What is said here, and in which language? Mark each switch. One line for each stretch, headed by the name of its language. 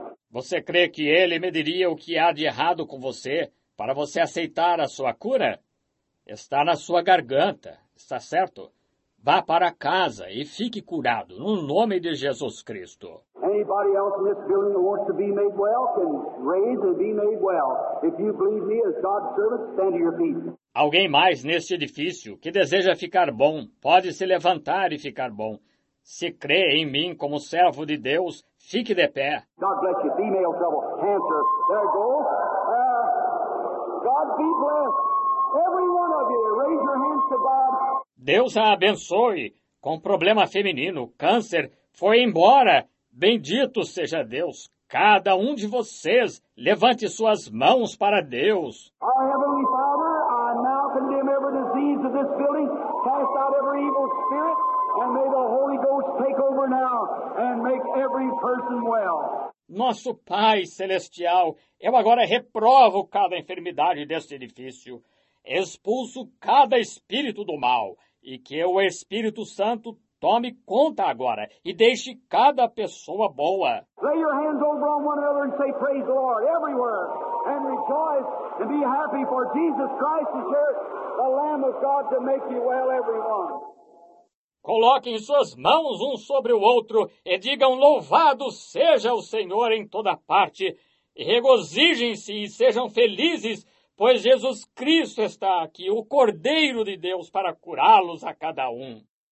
Portuguese: Você crê que ele me diria o que há de errado com você para você aceitar a sua cura? Está na sua garganta, está certo? Vá para casa e fique curado, no nome de Jesus Cristo.
English: Anybody else in this building that wants to be made well can raise and be made well. If you believe me as God's servant, stand to your feet.
Portuguese: Alguém mais neste edifício que deseja ficar bom, pode se levantar e ficar bom. Se crê em mim como servo de Deus, fique de pé.
English: God bless you. Female trouble. Cancer. There it goes. God be blessed. Every one of you, raise your hands to God.
Portuguese: Deus a abençoe. Com problema feminino, câncer, foi embora. Bendito seja Deus. Cada um de vocês, levante suas mãos para Deus.
English: Our Heavenly Father, condemn every disease of this building, cast out every evil spirit, and may the Holy Ghost take over now and make every person well.
Portuguese: Nosso Pai Celestial, eu agora reprovo cada enfermidade deste edifício, expulso cada espírito do mal, e que o Espírito Santo tome conta agora e deixe cada pessoa boa.
English: Lay your hands over on one another and say, praise the Lord, everywhere, and rejoice and be happy, for Jesus Christ is here, the Lamb of God, to make you well, everyone.
Portuguese: Coloquem suas mãos um sobre o outro e digam, louvado seja o Senhor em toda parte. Regozijem-se e sejam felizes, pois Jesus Cristo está aqui, o Cordeiro de Deus, para curá-los a cada um.